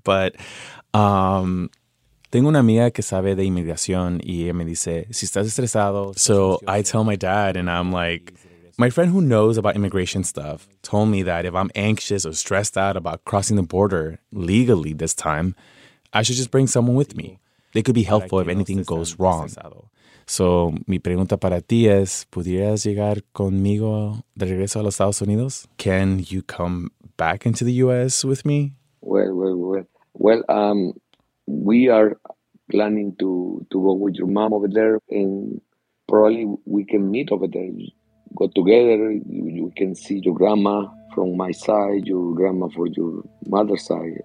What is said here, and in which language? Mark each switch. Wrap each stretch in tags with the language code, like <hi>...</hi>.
<es>But tengo una amiga que sabe de inmigración y ella me dice, si estás estresado.</es> <en>So I tell my dad, and I'm like, my friend who knows about immigration stuff told me that if I'm anxious or stressed out about crossing the border legally this time, I should just bring someone with me. They could be helpful if anything goes wrong.</en> <es>So, mi pregunta para ti es, ¿pudieras llegar conmigo de regreso a los Estados Unidos?</es> <en>Can you come back into the U.S. with me? Well, we are planning to go with your mom over there, and probably we can meet over there, go together. We can see your grandma from my side, your grandma from your mother's side.</en>